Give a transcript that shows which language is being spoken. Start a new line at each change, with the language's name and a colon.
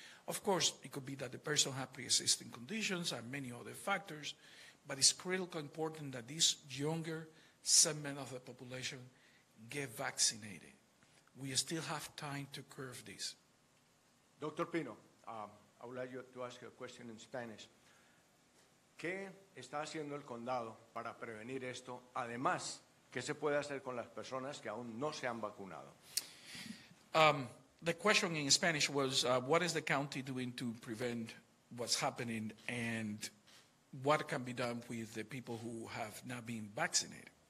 English: Of course, it could be that the person had pre-existing conditions and many other factors, but it's critically important that this younger segment of the population get vaccinated. We still have time to curve this. Dr. Pino, I would like you to ask a question in Spanish.
Spanish: ¿Qué está haciendo el condado para prevenir esto? Además, ¿qué se puede hacer con las personas que aún no se han vacunado?
English: The question in Spanish was, what is the county doing to prevent what's happening and what can be done with the people who have not been vaccinated?